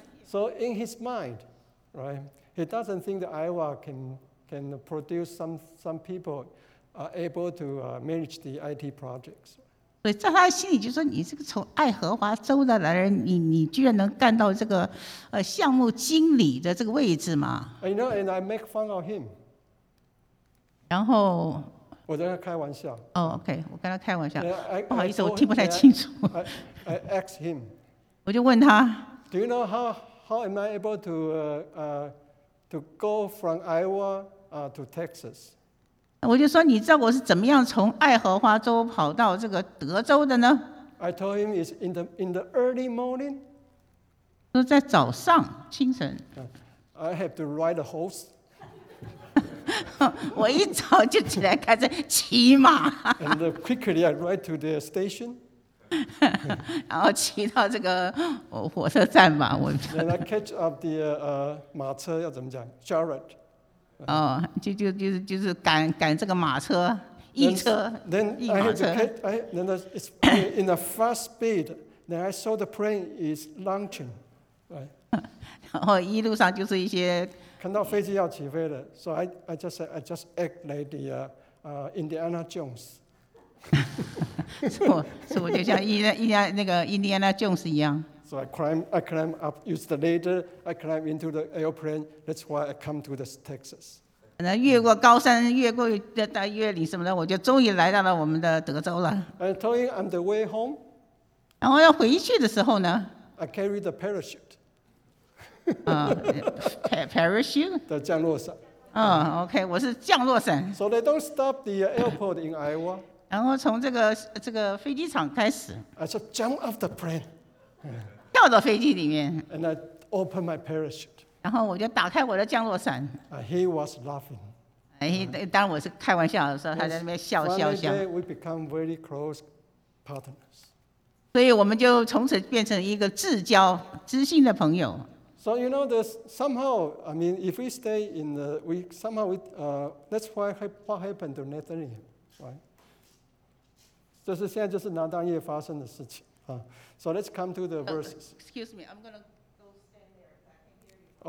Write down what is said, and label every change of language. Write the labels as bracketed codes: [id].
[en] So in his mind, right, he doesn't think that Iowa can produce some people are able to manage the IT projects. [zh] 所以在他心里就说：“你这个从爱荷华州的来人，你居然能干到这个项目经理的这个位置吗 [en] ？”You know, and I make fun of him. [zh] 然后。我在开玩笑。哦、oh, ，OK， 我跟他开玩笑。不好意思，我听不太清楚。 [en] I ask him， [zh] 我就问他。 [en] Do you know how am I able to to go from Iowa to Texas？ [zh] 我就说，你知道我是怎么样从爱荷华州跑到这个德州的呢 [en] ？I told him it's in the early morning。 [zh] 说在早上，清晨。 [en] I have to ride a horse。 [zh] 我一早就起来开始骑马 [en] ，and quickly I ride to the station， [zh] 然后骑到这个火车站吧，我。 [en] And I catch up the [zh] 马车要怎么讲 [en] ？Jarrett。 [zh] 哦，就是赶这个马车，一车。 [en] Then I had to catch. Then it's in a fast speed. Then I saw the plane is launching. Right. [zh] 然后一路上就是一些。看到飞机要起飞了 [en] ，so I just said I just act like the Indiana Jones， [zh] 是我就像印第安纳 Jones 一样。 [en] So I climb up, use the ladder, I climb into the airplane. That's why I come to this Texas. [zh] 那越过高山，越过大月岭什么的，我就终于来到了我们的德州了。 [en] I told him on the way home. [zh] 然后要回去的时候呢 [en] ？I carry the parachute. parachute [zh] 的降落伞。 OK， 我是降落伞。 [en] So they don't stop the airport in Iowa。 [zh] 然后从这个飞机场开始。 [en] I said jump off the plane。 [zh] 跳到飞机里面。 [en] And I open my parachute。 [zh] 然后我就打开我的降落伞。 [en] He was laughing。 [zh] 当然我是开玩笑的时候，他在那边笑。 [en] Finally, we become very close partners。 [zh] 所以我们就从此变成一个至交知心的朋友。 [en] So you know, there's somehow, I mean, if we stay in the, we somehow, we, that's what happened to Nathaniel, right? [zh] 就是现在就是拿单页发生的事情啊。 [en] So let's come to the verses. Excuse me, I'm gonna go stand there.